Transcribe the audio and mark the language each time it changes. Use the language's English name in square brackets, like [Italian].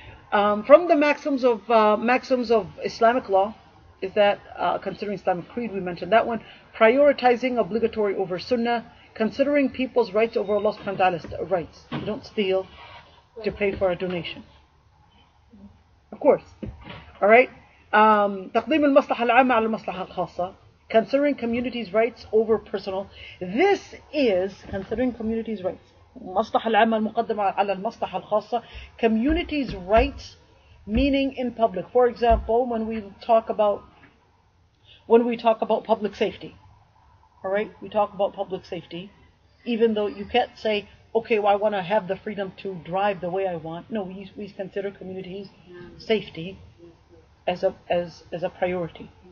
[English] From the maxims of Islamic law is that, considering Islamic creed, we mentioned that one, prioritizing obligatory over sunnah, considering people's rights over Allah subhanahu wa ta'ala's rights. You don't steal to pay for a donation. Of course. All right. [Arabic] تقديم المصلحة العامة على المصلحة الخاصة, [English] considering community's rights over personal. This is considering community's rights. [Arabic] مصلحة العامة المقدمة على المصلحة الخاصة, [English] community's rights, meaning in public. For example, when we talk about public safety, all right, we talk about public safety, even though you can't say, okay, well, I want to have the freedom to drive the way I want. No, we consider community's safety as a priority.